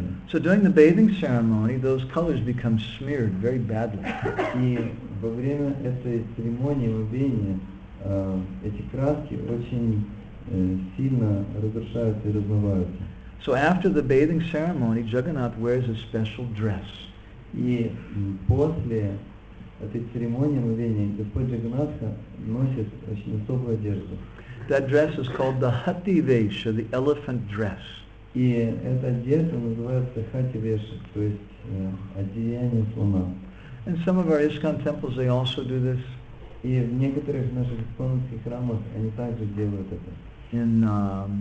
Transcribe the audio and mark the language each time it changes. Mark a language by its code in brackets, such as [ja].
[en] So during the bathing ceremony, those colors become smeared very badly. [ru] И во время этой церемонии омовения эти краски очень сильно разрушаются и размываются. [en] So after the bathing ceremony, Jagannath wears a special dress. [ru] И после этой церемонии омовения Господь Джагнатха носит очень особую одежду. [en] That dress is called the Hathi Vesha, the elephant dress. [ru] И эта одежда называется Hathi Vesha, то есть одеяние слона. [en] And some of our ISKCON temples, they also do this. [ru] И в некоторых наших исконных храмах они также делают это.